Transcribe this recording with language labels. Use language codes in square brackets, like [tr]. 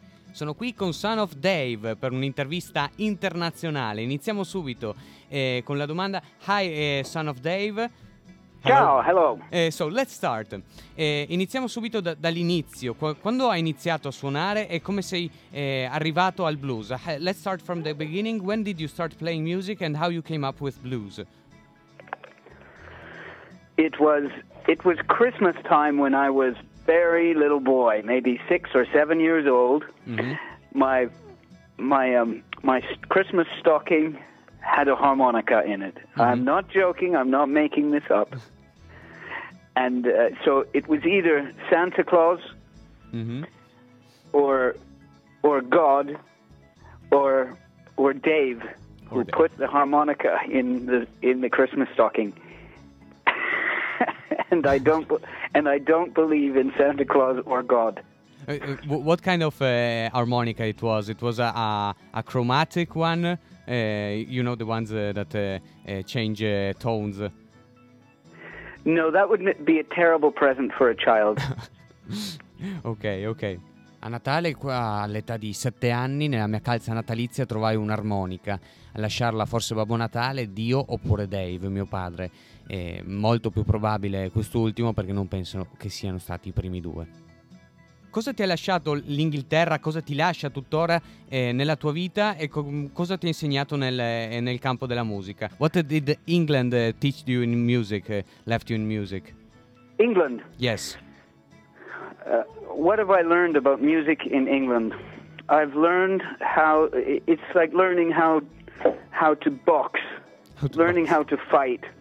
[it] Sono qui con Son of Dave per un'intervista internazionale. Iniziamo subito con la domanda. [en] Hi, Son of Dave. Hello. So let's start. [it] Iniziamo subito dall'inizio. Quando hai iniziato a suonare e come sei arrivato al blues? [en] Let's start from the beginning. When did you start playing music and how you came up with blues? It was Christmas time when I was very little boy, maybe 6 or 7 years old. Mm-hmm. My Christmas stocking had a harmonica in it. Mm-hmm. I'm not joking. I'm not making this up. And so it was either Santa Claus, mm-hmm. or God, or Dave, who put the harmonica in the Christmas stocking. And I don't believe in Santa Claus or God. What kind of harmonica it was? It was a chromatic one, you know, the ones that change tones. No, that would be a terrible present for a child. Okay. [it] A Natale, qua, all'età di 7 anni, nella mia calza natalizia trovai un'armonica. A lasciarla forse Babbo Natale, Dio oppure Dave, mio padre. Molto più probabile quest'ultimo, perché non penso che siano stati i primi due. Cosa ti ha lasciato l'Inghilterra, cosa ti lascia tuttora nella tua vita e cosa ti ha insegnato nel campo della musica? [en] What did England teach you in music, left you in music? England? Yes. What have I learned about music in England? I've learned how, it's like learning how to box, how to fight.